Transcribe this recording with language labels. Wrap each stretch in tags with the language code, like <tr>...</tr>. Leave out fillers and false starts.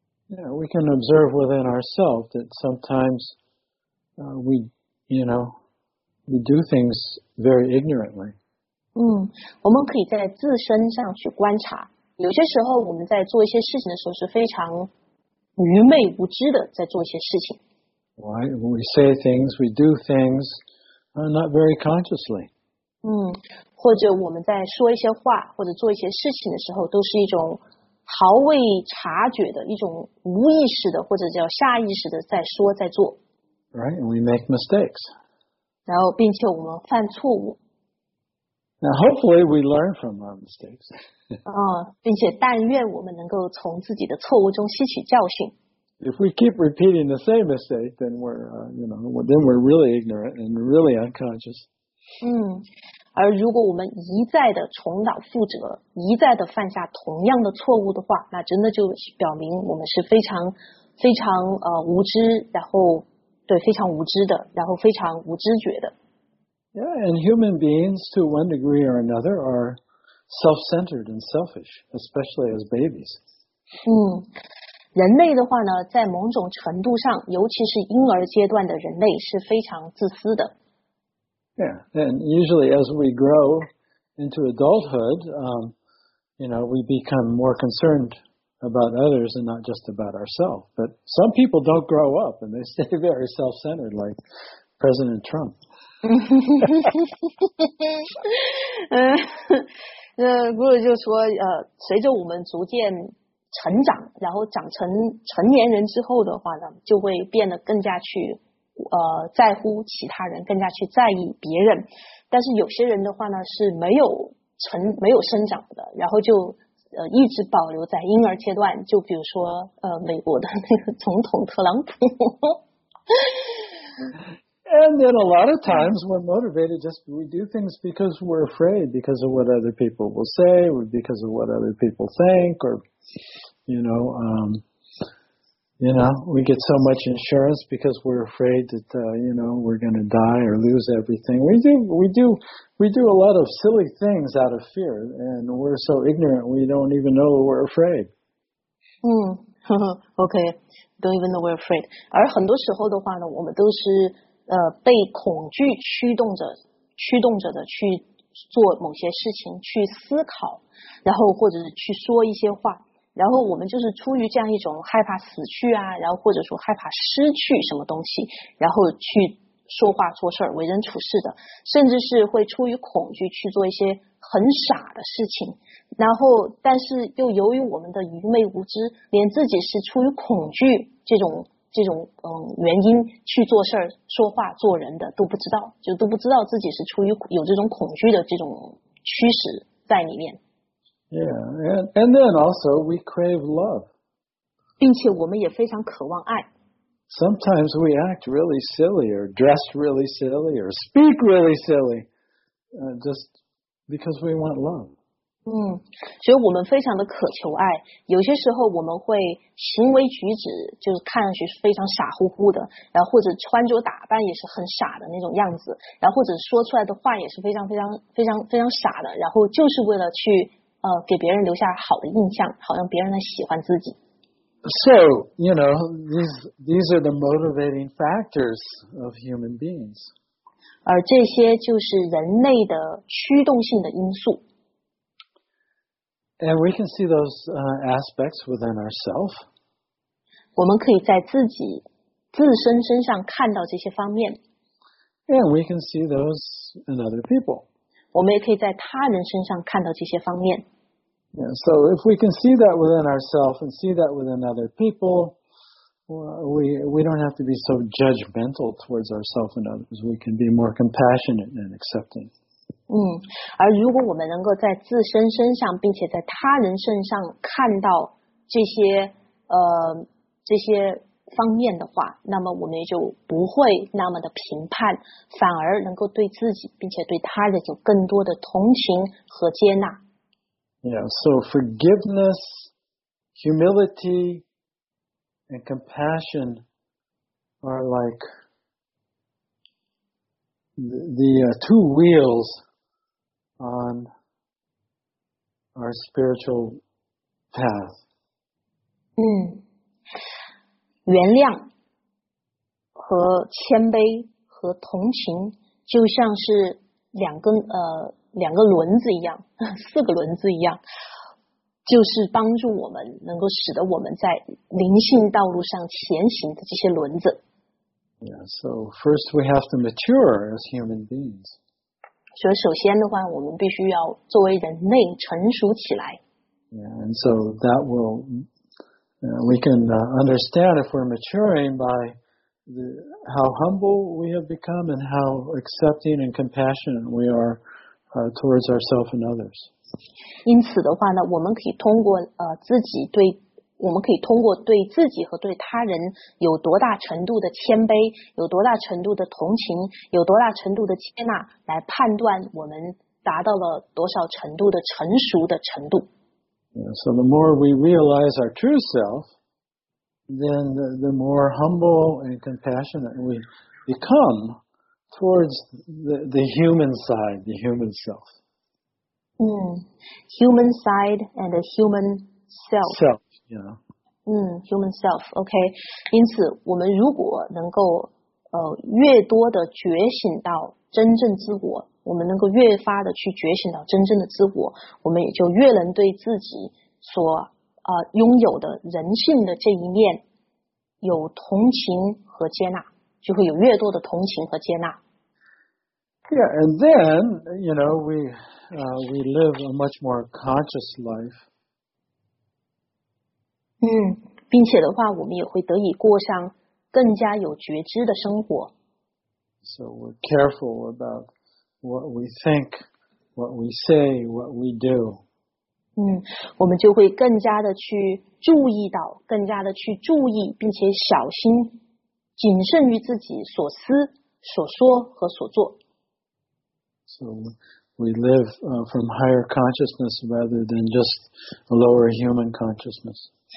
<en>Yeah, we can observe within ourselves that sometimes we do things very ignorantly.</en> <zh>我们可以在自身上去观察，有些时候我们在做一些事情的时候是非常愚昧无知的在做一些事情。</zh> <en>Why? We say things, we do things, not very consciously.</en> <zh>或者我们在说一些话或者做一些事情的时候都是一种毫未察觉的一种无意识的或者叫下意识的在说在做。</zh> <en>Right, and we make mistakes.</en> <zh>然后并且我们犯错误。</zh> <en>Now hopefully we learn from our mistakes.</en> <zh>并且但愿我们能够从自己的错误中吸取教训。</zh> <en>If we keep repeating the same mistake, then we're really ignorant and really unconscious.</en> <zh>而如果我们一再的重蹈覆辙，一再的犯下同样的错误的话，那真的就表明我们是非常非常无知，然后对非常无知的，然后非常无知觉的。</zh> <en>Yeah, and human beings, to one degree or another, are self-centered and selfish, especially as babies.</en> <zh>人类的话呢，在某种程度上，尤其是婴儿阶段的人类是非常自私的。</zh> <en>Yeah, and usually as we grow into adulthood, we become more concerned about others and not just about ourselves. But some people don't grow up and they stay very self-centered, like President Trump.</en> <zh>Guru 就说随着我们逐渐成长，然后长成成年人之后的话呢，就会变得更加去在乎其他人，更加去在意别人。但是有些人的话呢是没有生长的，然后就一直保留在婴儿阶段，就比如说美国的那个总统特朗普。</zh> <en>And then a lot of times we're motivated just we do things because we're afraid, because of what other people will say, or because of what other people think, or, you know, we get so much insurance because we're afraid that, you know, we're going to die or lose everything. We do a lot of silly things out of fear, and we're so ignorant we don't even know we're afraid. Okay, don't even know we're afraid.</en> <zh>而很多时候的话呢，我们都是被恐惧驱动着的去做某些事情，去思考，然后或者是去说一些话，然后我们就是出于这样一种害怕死去啊，然后或者说害怕失去什么东西，然后去说话做事为人处事的，甚至是会出于恐惧去做一些很傻的事情，然后但是又由于我们的愚昧无知，连自己是出于恐惧这种原因去做事说话做人的都不知道，就都不知道自己是出于有这种恐惧的这种驱使在里面。</zh> <en>Yeah, and then also we crave love.</en> <zh>并且我们也非常渴望爱。</zh> <en>Sometimes we act really silly or dress really silly or speak really silly, just because we want love.</en> <zh>所以我们非常的渴求爱，有些时候我们会行为举止就是看上去是非常傻乎乎的，然后或者穿着打扮也是很傻的那种样子，然后或者说出来的话也是非常非常非常非常傻的，然后就是为了去给别人留下好的印象，好让别人来喜欢自己。</zh> <en>So, you know, these are the motivating factors of human beings.</en> <zh>而这些就是人类的驱动性的因素。</zh> <en>And we can see those aspects within ourselves.</en> <zh>我们可以在自己自身身上看到这些方面。</zh> <en>And we can see those in other people.</en> <zh>我们也可以在他人身上看到这些方面。</zh> <en>Yeah, so if we can see that within ourselves and see that within other people, we don't have to be so judgmental towards ourselves and others. We can be more compassionate and accepting.</en> <zh>而如果我们能够在自身身上并且在他人身上看到这些方面的话，那么我们也就不会那么的评判，反而能够对自己并且对他人有更多的同情和接纳。</zh> <en>Yeah, so forgiveness, humility, and compassion are like the two wheels on our spiritual path.</en> <zh>原谅和谦卑和同情就像是两个轮子一样，四个轮子一样，就是帮助我们能够使得我们在灵性道路上前行的这些轮子。</zh> <en>Yeah, so first we have to mature as human beings.</en> <zh>所以首先的话，我们必须要作为人类成熟起来。</zh> <en>Yeah, and so that will, we can understand if we're maturing by how humble we have become and how accepting and compassionate we are. Towards ourselves and others.</en> <zh>因此的话呢，我们可以通过自己对，我们可以通过对自己和对他人有多大程度的谦卑，有多大程度的同情，有多大程度的接纳，来判断我们达到了多少程度的成熟的程度。</zh> <en>Yeah, so the more we realize our true self, then the more humble and compassionate we become. Towards the human side, the human self. Human side and the human self. Self, yeah. Human self, okay.</en> <zh>因此我们如果能够越多的觉醒到真正自我，我们能够越发的去觉醒到真正的自我，我们也就越能对自己所拥有的人性的这一面有同情和接纳。就会有越多的同情和接纳。</zh> <en>Yeah, and then, you know, we live a much more conscious life.</en> <zh>并且的话，我们也会得以过上更加有觉知的生活。</zh> <en>So we're careful about what we think, what we say, what we do.</en> <zh>我们就会更加的去注意到，更加的去注意，并且小心、谨慎于自己所思、所说和所做。</zh> <en>So we live from higher consciousness rather than just a lower human consciousness.</en>